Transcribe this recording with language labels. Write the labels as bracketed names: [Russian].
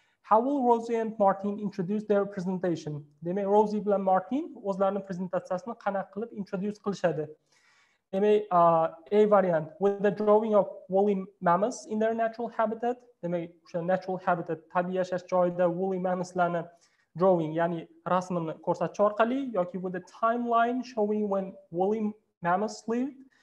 [English] How will Rosie and Martin introduce their presentation? [Uzbek] Demak, Rosie bilan Martin o'zlarining prezentatsiyasini qanaqa qilib introduce qilishadi? [English] Demak, A variant with the drawing of woolly mammoths in their natural habitat. [Uzbek] Demak, o'sha natural habitat tabiiy yashash joyida woolly mammothslarni drawing, ya'ni rasmini ko'rsatish orqali yoki bu [English] the timeline showing when woolly mammoths lived.